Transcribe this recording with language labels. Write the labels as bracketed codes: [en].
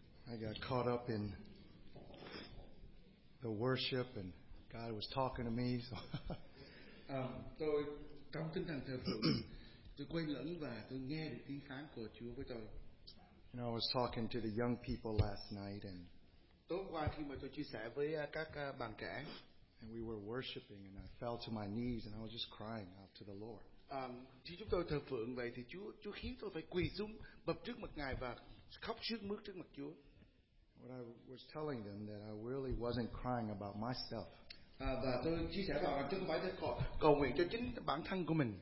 [en] I got caught up in the worship and God was talking to me. So [vi] tôi trong tinh thần thờ phượng, tôi quên lẫn và tôi nghe được tiếng phán của Chúa với tôi. [en] You know, I was talking to the young people last night and [vi] tối qua khi mà tôi chia sẻ với các bạn trẻ, [en] and we were worshiping and I fell to my knees and I was just crying out to the Lord. [vi] Khi chúng tôi thờ phượng vậy thì Chúa khiến tôi phải quỳ xuống bập trước mặt Ngài và khóc sướt mướt trước mặt Chúa. [en] What I was telling them that I really wasn't crying about myself. [vi] Và tôi chia sẻ rằng chúng tôi phải cầu nguyện cho chính bản thân của mình.